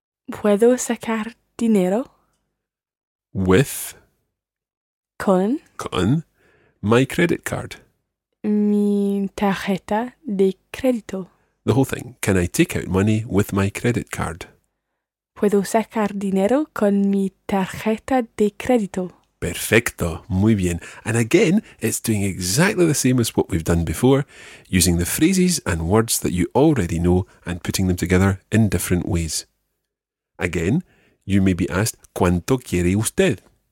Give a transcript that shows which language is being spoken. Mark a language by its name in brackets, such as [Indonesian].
[Spanish] Puedo sacar dinero. [English] With? [Spanish] Con. Con [English] my credit card. [Spanish] Mi tarjeta de crédito. [English] The whole thing. Can I take out money with my credit card? [Spanish] Puedo sacar dinero con mi tarjeta de crédito. Perfecto. Muy bien. [English] And again, it's doing exactly the same as what we've done before, using the phrases and words that you already know and putting them together in different ways. Again, you may be asked, [Spanish] ¿cuánto quiere usted?